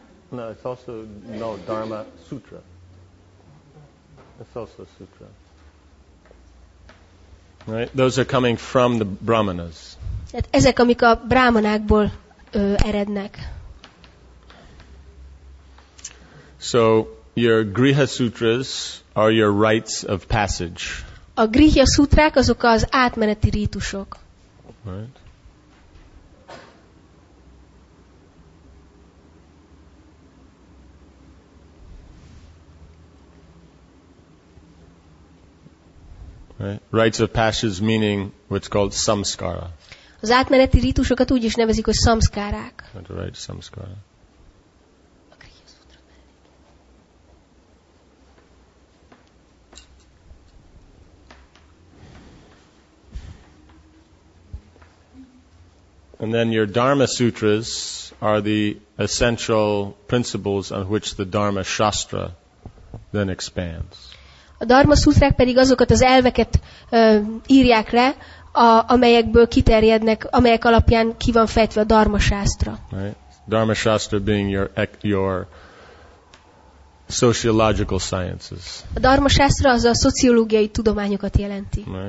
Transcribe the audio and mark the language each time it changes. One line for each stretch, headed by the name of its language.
English: No, it's also, no, Dharma Sutra. It's also a sutra. Right, those are coming from the Brahmanas.
Hungarian: Hát ezek, amik a Brahmanákból erednek.
English: So your Griha Sutras are your rites of passage.
Hungarian: A Griha Sutrák azok az átmeneti rítusok.
English: Right. Right. Rites of passage meaning what's called samskara.
Hungarian: Az átmeneti rítusokat úgy is nevezik, hogy szamszkárák.
English: Right, szamszkára. And then your Dharma Sutras are the essential principles on which the Dharma Shastra then expands.
Hungarian: A Dharma Sutrák pedig azokat az elveket írják le, amelyekből kiterjednek, amelyek alapján ki van fejtve a Dharma Shastra.
English: Right. Dharma Shastra being your sociological sciences.
Hungarian: A Dharma Shastra az a szociológiai tudományokat jelenti.